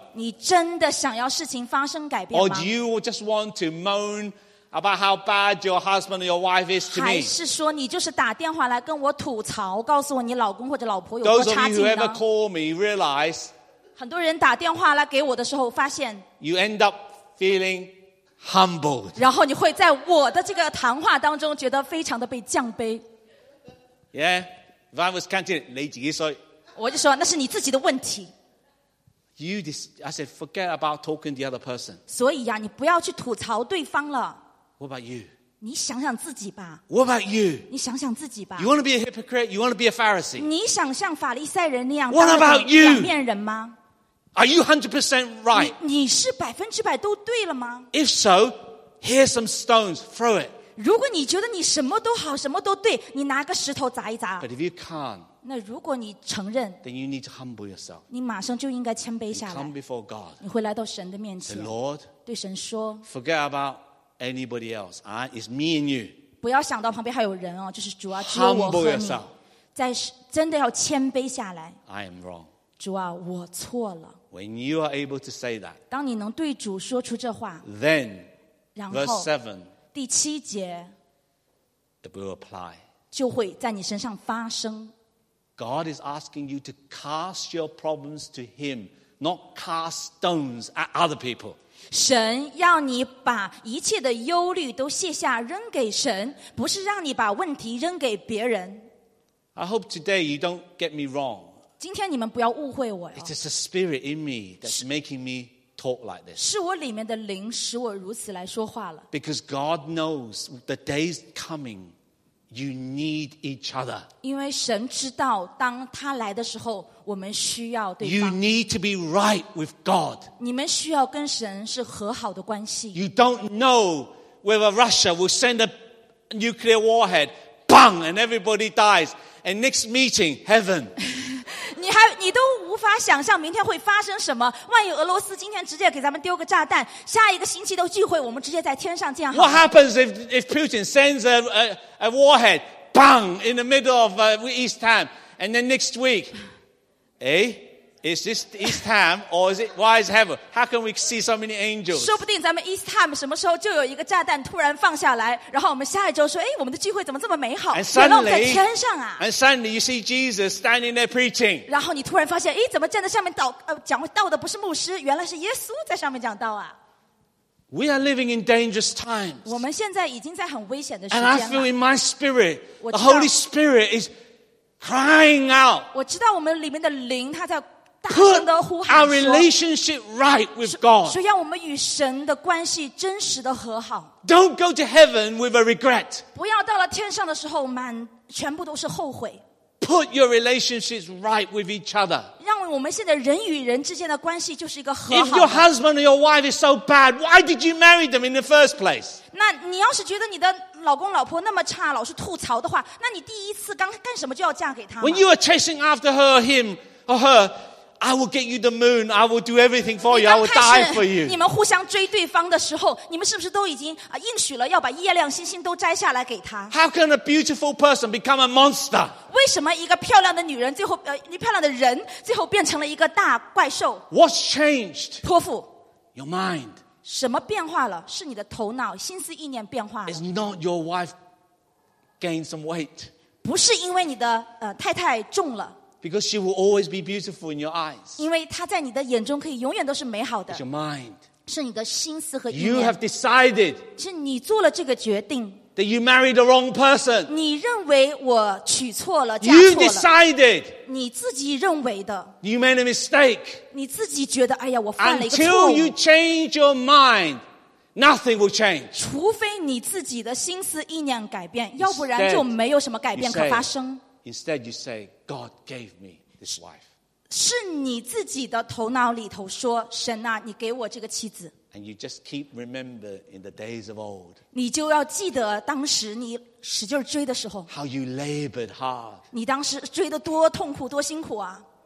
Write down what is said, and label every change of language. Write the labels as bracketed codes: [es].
[zh] 你真的想要事情发生改变吗？ [en] Or do you just want to moan? About how bad your husband or your wife is to me. [zh] 还是说你就是打电话来跟我吐槽，告诉我你老公或者老婆有多差劲呢？ [en] Those of you who ever call me realize. [zh] 很多人打电话来给我的时候，发现 [en] you end up feeling humbled. [zh] 然后你会在我的这个谈话当中觉得非常的被降卑。 [en] Yeah, if I was counting, [zh] 你自己说。我就说那是你自己的问题。 [en] I said, forget about talking to the other person. [zh] 所以呀，你不要去吐槽对方了。 [en] What about you? [zh] 你想想自己吧。 [en] What about you? [zh] 你想想自己吧。 [en] You want to be a hypocrite? You want to be a Pharisee? [zh] 你想像法利赛人那样 [en] ？What about you? [zh] 两面人吗？ [en] Are you 100% right? [zh] 你是百分之百都对了吗？ [en] If so, here's some stones. Throw it. [zh] 如果你觉得你什么都好，什么都对，你拿个石头砸一砸。 [en] But if you can't, [zh] 那如果你承认 [en] ，then you need to humble yourself. [zh] 你马上就应该谦卑下来。 [en] Come before God. [zh] 你会来到神的面前。 [en] The Lord, [zh] 对神说 [en] ，Forget about. Anybody else? It's me and you. [zh] 不要想到旁边还有人哦，就是主啊，只有我和你。在真的要谦卑下来。 [en] I am wrong. [zh] 主啊，我错了。 [en] When you are able to say that, [zh] 当你能对主说出这话 [en] ，then, [zh] 然后 [en] verse 7, [zh] 第七节 [en] ，it will apply. [zh] 就会在你身上发生。 [en] God is asking you to cast your problems to Him, not cast stones at other people. [zh] 神要你把一切的忧虑都卸下扔给神，不是让你把问题扔给别人。 [en] I hope today you don't get me wrong. [zh] 今天你们不要误会我哟。 [en] It is a spirit in me that's making me talk like this. [zh] 是我里面的灵使我如此来说话了。 [en] Because God knows the day is coming you need each other. [zh] 因为神知道当他来的时候我们需要对方。 [en] You need to be right with God. [zh] 你们需要跟神是和好的关系。 [en] You don't know whether Russia will send a nuclear warhead, bang, and everybody dies. And next meeting, heaven. [zh] 你都无法想象明天会发生什么。万一俄罗斯今天直接给咱们丢个炸弹，下一个星期的聚会我们直接在天上见。 [en] What happens if Putin sends a warhead, bang, in the middle of East Ham, and then next week, Is this East Ham or is it Wise Heaven? How can we see so many angels? [zh] 说不定咱们 East Ham 什么时候就有一个炸弹突然放下来，然后我们下一周说，哎，我们的聚会怎么这么美好？原来我们在天上啊！ [en] And suddenly you see Jesus standing there preaching. [zh] 然后你突然发现，哎，怎么站在上面讲道的不是牧师，原来是耶稣在上面讲道啊！ [en] We are living in dangerous times. [zh] 我们现在已经在很危险的时间了。 [en] And I feel in my spirit, the Holy Spirit is crying out. [zh] 我知道我们里面的灵，他在 [en] Put our relationship right with God. [zh] 说让我们与神的关系真实的和好。 [en] Don't go to heaven with a regret. [zh] 不要到了天上的时候满全部都是后悔。 [en] Put your relationships right with each other. [zh] 让我们现在人与人之间的关系就是一个和好。 [en] If your husband or your wife is so bad, why did you marry them in the first place? [zh] 那你要是觉得你的老公老婆那么差，老是吐槽的话，那你第一次刚干什么就要嫁给他吗？ [en] When you are chasing after her or him or her. I will get you the moon. I will do everything for you. I will die for you. [zh] 你们互相追对方的时候，你们是不是都已经应许了要把月亮星星都摘下来给他？ [en] How can a beautiful person become a monster? [zh] 为什么一个漂亮的女人最后一漂亮的人最后变成了一个大怪兽？ [en] What's changed? [zh] 托付 [en] Your mind. [zh] 什么变化了？是你的头脑心思意念变化了。 [en] It's not your wife gained some weight. [zh] 不是因为你的太太重了。 [en] Because she will always be beautiful in your eyes. [zh] 因为她在你的眼中可以永远都是美好的。 [en] It's your mind. [zh] 是你的心思和意念。 [en] You have decided. [zh] 是你做了这个决定。 [en] That you married the wrong person. [zh] 你认为我娶错了，嫁错了。 [en] You decided. [zh] 你自己认为的。 [en] You made a mistake. [zh] 你自己觉得，哎呀，我犯了一个错误。 [en] Until you change your mind, nothing will change. [zh] 除非你自己的心思意念改变，要不然就没有什么改变可发生。 [en] Instead, you say, God gave me this wife. [zh] 是你自己的头脑里头说，神啊，你给我这个妻子。 [en] And you just keep remember in the days of old. [zh] 你就要记得当时你使劲追的时候。 [en] How you labored hard. [zh] 你当时追得多痛苦，多辛苦啊。